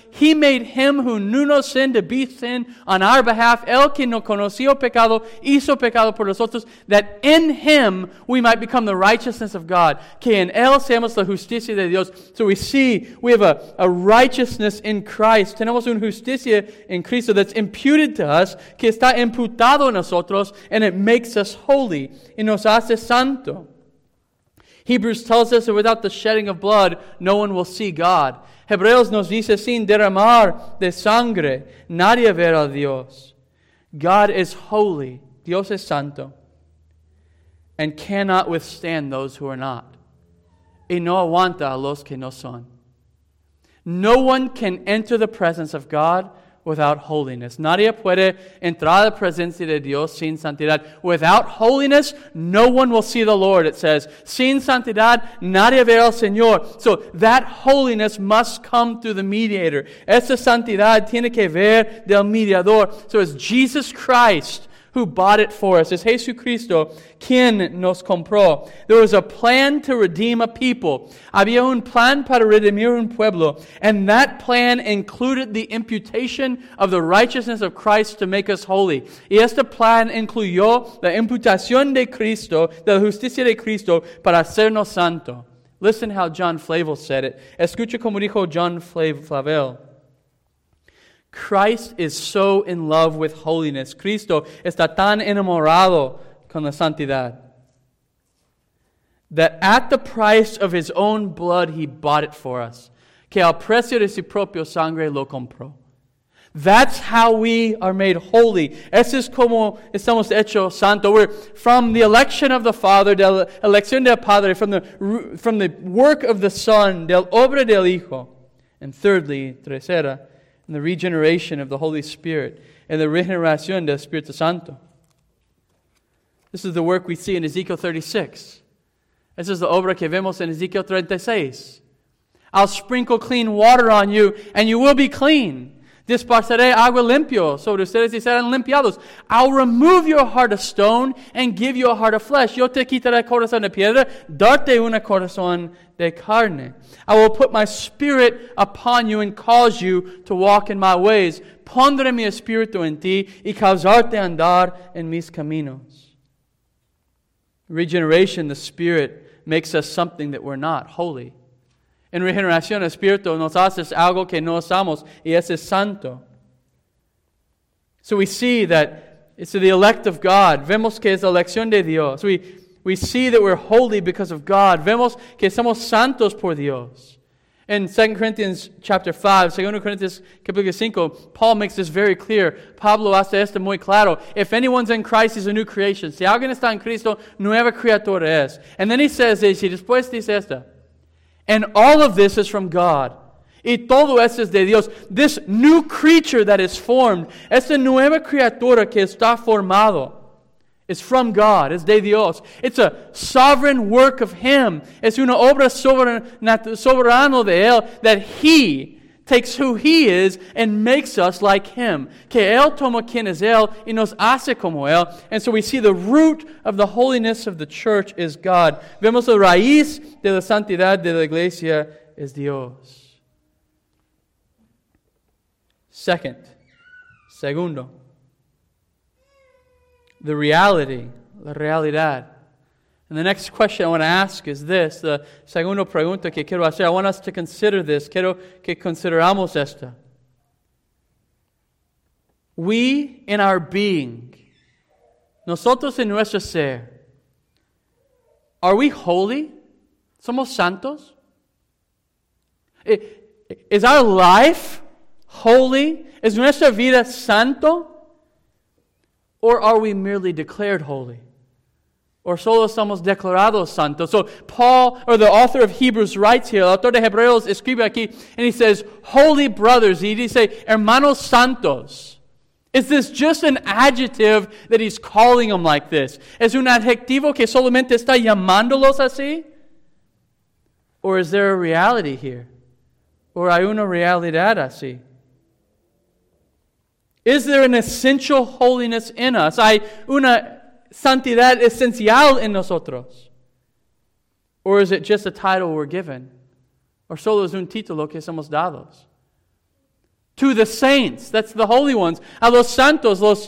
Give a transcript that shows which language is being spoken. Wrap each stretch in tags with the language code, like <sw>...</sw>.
<en>He made Him who knew no sin to be sin on our behalf.</en> <es>Él que no conoció pecado, hizo pecado por nosotros,</es> <en>that in Him we might become the righteousness of God.</en> <es>Que en Él seamos la justicia de Dios.</es> <en>So we see we have a righteousness in Christ.</en> <es>Tenemos un justicia justicia en Cristo</es> <en>that's imputed to us,</en> <es>que está imputado en nosotros,</es> <en>and it makes us holy,</en> <es>y nos hace santo.</es> <en>Hebrews tells us that without the shedding of blood, no one will see God.</en> <es>Hebreos nos dice, sin derramar de sangre, nadie verá a Dios.</es> <en>God is holy,</en> <es>Dios es santo,</es> <en>and cannot withstand those who are not,</en> <es>y no aguanta a los que no son.</es> <en>No one can enter the presence of God without holiness.</en> <es>Nadie puede entrar a la presencia de Dios sin santidad.</es> <en>Without holiness, no one will see the Lord, it says.</en> <es>Sin santidad, nadie verá al Señor.</es> <en>So that holiness must come through the mediator.</en> <es>Esa santidad tiene que ver del mediador.</es> <en>So it's Jesus Christ who bought it for us.</en> <es>Es Jesucristo quien nos compró.</es> <en>There was a plan to redeem a people.</en> <es>Había un plan para redimir un pueblo.</es> <en>And that plan included the imputation of the righteousness of Christ to make us holy.</en> <es>Y este plan incluyó la imputación de Cristo, de la justicia de Cristo, para hacernos santo.</es> <en>Listen how John Flavel said it.</en> <es>Escucha como dijo John Flavel.</es> <en>Christ is so in love with holiness.</en> <es>Cristo está tan enamorado con la santidad</es> <en>that at the price of his own blood, he bought it for us.</en> <es>Que al precio de su propio sangre lo compró.</es> <en>That's how we are made holy.</en> <es>Eso es como estamos hecho santo.</es> <en>We're from the election of the Father,</en> <es>de la elección del Padre,</es> <en>from the work of the Son,</en> <es>del obra del Hijo.</es> <en>And thirdly, tercera, in the regeneration of the Holy Spirit and the</en> <es>regeneración del Espíritu Santo.</es> <en>This is the work we see in Ezekiel 36. This is the</en> <es>obra que vemos</es> <en>in Ezekiel 36. I'll sprinkle clean water on you and you will be clean.</en> <es>Disparceré agua limpio sobre ustedes y serán limpiados.</es> <en>I'll remove your heart of stone and give you a heart of flesh.</en> <es>Yo te quitaré corazón de piedra, darte un corazón de carne.</es> <en>I will put my spirit upon you and cause you to walk in my ways.</en> <es>Pondré mi espíritu en ti y causarte andar en mis caminos.</es> <en>Regeneration, the Spirit, makes us something that we're not, holy.</en> <es>En regeneración, el Espíritu nos hace algo que no somos, y ese es santo.</es> <en>So we see that it's the elect of God.</en> <es>Vemos que es la elección de Dios.</es> <en>We see that we're holy because of God.</en> <es>Vemos que somos santos por Dios.</es> <en>In 2 Corinthians chapter 5, 2 Corinthians</en> <es>capítulo 5,</es> <en>Paul makes this very clear.</en> <es>Pablo hace esto muy claro.</es> <en>If anyone's in Christ, he's a new creation.</en> <es>Si alguien está en Cristo, nueva criatura es.</es> <en>And then he says this,</en> <es>y después dice esto.</es> <en>And all of this is from God.</en> <es>Y todo esto es de Dios.</es> <en>This new creature that is formed,</en> <es>esta nueva criatura que está formado,</es> <en>is from God,</en> <es>es de Dios.</es> <en>It's a sovereign work of Him.</en> <es>Es una obra soberana de Él</es> <en>that He takes who He is and makes us like Him.</en> <es>Que Él toma quien es Él y nos hace como Él.</es> <en>And so we see the root of the holiness of the church is God.</en> <es>Vemos la raíz de la santidad de la iglesia es Dios. Segundo.</es> <en>The reality.</en> <es>La realidad.</es> <en>And the next question I want to ask is this.</en> <es>The segunda pregunta que quiero hacer.</es> <en>I want us to consider this.</en> <es>Quiero que consideramos esto.</es> <en>We, in our being,</en> <es>nosotros en nuestro ser,</es> <en>are we holy?</en> <es>¿Somos santos?</es> <en>Is our life holy?</en> <es>¿Es nuestra vida santo?</es> <en>Or are we merely declared holy?</en> <es>Or solo somos declarados santos.</es> <en>So Paul, or the author of Hebrews, writes here,</en> <es>el autor de Hebreos escribe aquí,</es> <en>and he says, holy brothers, he</en> <es>dice, hermanos santos.</es> <en>Is this just an adjective that he's calling them like this?</en> <es>¿Es un adjetivo que solamente está llamándolos así?</es> <en>Or is there a reality here?</en> <es>¿Or hay una realidad así?</es> <en>Is there an essential holiness in us?</en> <es>¿Hay una santidad esencial en nosotros?</es> <en>Or is it just a title we're given?</en> <es>¿O solo es un título que somos dados?</es> <en>To the saints, that's the holy ones.</en> <es>A los santos.</es>